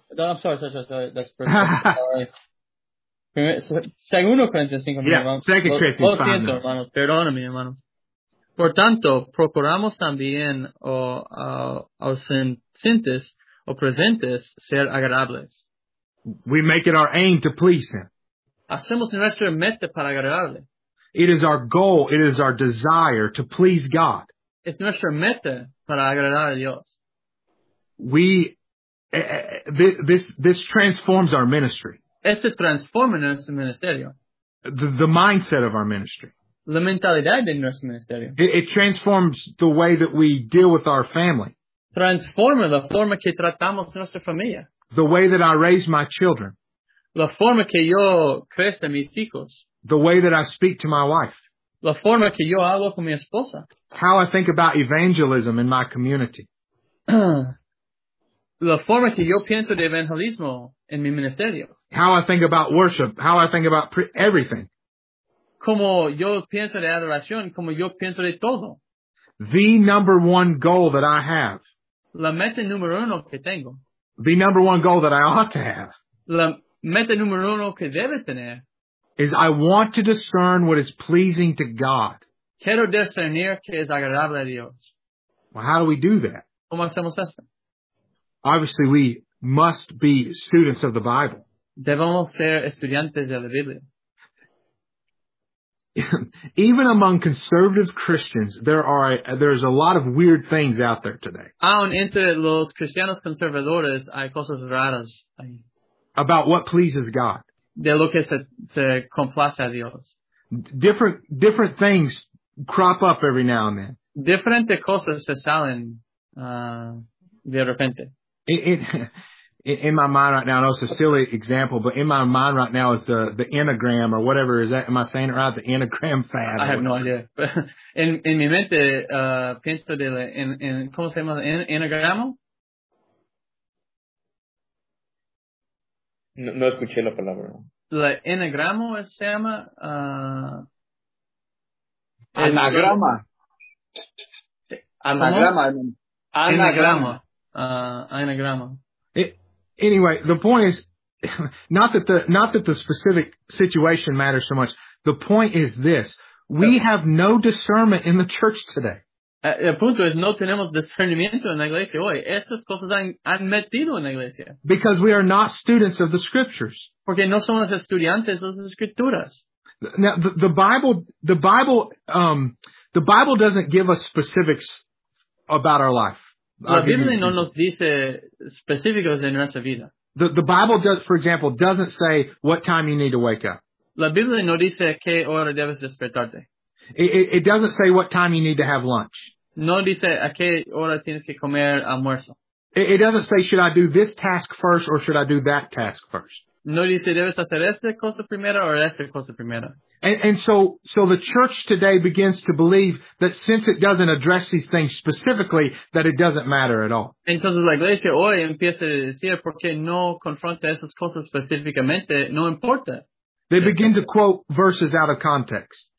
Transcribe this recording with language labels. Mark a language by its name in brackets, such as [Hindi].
[English] No, I'm sorry. Sorry. That's perfect. Segundo Corinthians 5:9. Yeah, 2 Corinthians [Spanish] 5:9. Lo siento, hermano. Perdóname, hermano. Por tanto, procuramos también ausentes o presentes ser agradables. [English] We make it our aim to please Him. [Spanish] Hacemos nuestra meta para agradarle. [English] It is our goal, it is our desire to please God. [Spanish] Es nuestra meta para agradar a Dios. [English] This transforms our ministry. [Spanish] Este transforma nuestro ministerio. [English] The mindset of our ministry. [Spanish] La mentalidad de nuestro ministerio. [English] It transforms the way that we deal with our family. [Spanish] Transforma la forma que tratamos nuestra familia. [English] The way that I raise my children. [Spanish] La forma que yo crezco a mis hijos. [English] The way that I speak to my wife. [Spanish] La forma que yo hablo con mi esposa. [English] How I think about evangelism in my community. [Spanish] La forma que yo pienso de evangelismo en mi ministerio. [English] How I think about worship. How I think about everything. [Spanish] Como yo pienso de adoración, como yo pienso de todo. [English] The number one goal that I have. [Spanish] La meta número uno que tengo. [English] The number one goal that I ought to have. [Spanish] La meta número uno que debe tener. [English] Is I want to discern what is pleasing to God. [Spanish] Quiero discernir que es agradable a Dios. [English] Well, how do we do that? [Spanish] ¿Cómo hacemos esto? [English] Obviously, we must be students of the Bible. [Spanish] Debemos ser estudiantes de la Biblia. [English] Even among conservative Christians, there's a lot of weird things out there today. [Spanish] Aún entre los cristianos conservadores hay cosas raras. [English] About what pleases God. [Spanish] De lo que se complace a Dios. [English] Different things crop up every now and then. [Spanish] Diferentes cosas se salen de repente. [English] In my mind right now, I know it's a silly example, but in my mind right now is the Enneagram or whatever. Is that, am I saying it right? The Enneagram fad. I have no idea. [Spanish] In mi mente, pienso de la, en ¿cómo se llama? ¿Enneagramo? No escuché la palabra. La Enneagramo se llama, Anagrama. Anagrama. Anagrama. Anagrama. [English] Anyway, the point is not that the specific situation matters so much. The point is this: we have no discernment in the church today. [Spanish] El punto es no tenemos discernimiento en la iglesia hoy. Estas cosas han metido en la iglesia. [English] Because we are not students of the scriptures. [Spanish] Porque no somos estudiantes de las escrituras. [English] Now the Bible doesn't give us specifics about our life. [Spanish] La Biblia no nos dice específicos en nuestra vida. [English] The Bible does, for example, doesn't say what time you need to wake up. [Spanish] La Biblia no dice qué hora debes despertarte. [English] It doesn't say what time you need to have lunch. [Spanish] No dice a qué hora tienes que comer almuerzo. [English] It doesn't say should I do this task first or should I do that task first. [Spanish] No dice debes hacer esta cosa primero o esta cosa primero. [English] And so the church today begins to believe that since it doesn't address these things specifically, that it doesn't matter at all. [Spanish] Entonces la iglesia hoy empieza a decir porque no confronta esas cosas específicamente, no importa. [English] They begin to quote verses out of context.